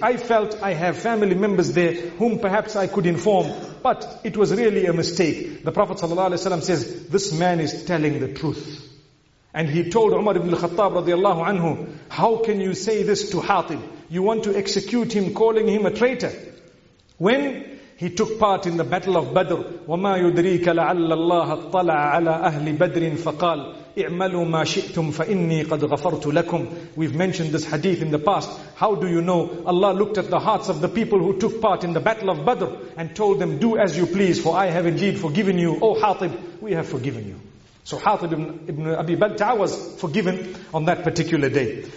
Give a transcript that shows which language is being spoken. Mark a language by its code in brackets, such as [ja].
[en] I felt I have family members there whom perhaps I could inform, but it was really a mistake." The Prophet ﷺ says, "This man is telling the truth." And he told Umar ibn al-Khattab radiallahu anhu, "How can you say this to Hatib? You want to execute him, calling him a traitor?" When he took part in the battle of Badr, [ar] وَمَا يُدْرِيكَ لَعَلَّ اللَّهَ اطَّلَعَ عَلَى أَهْلِ بَدْرٍ فَقَالَ اِعْمَلُوا مَا شِئْتُمْ فَإِنِّي قَدْ غَفَرْتُ لَكُمْ. [en] We've mentioned this hadith in the past. How do you know? Allah looked at the hearts of the people who took part in the battle of Badr and told them, "Do as you please, for I have indeed forgiven you. Oh Hatib, we have forgiven you." So Hatib ibn Abi Balta'a was forgiven on that particular day.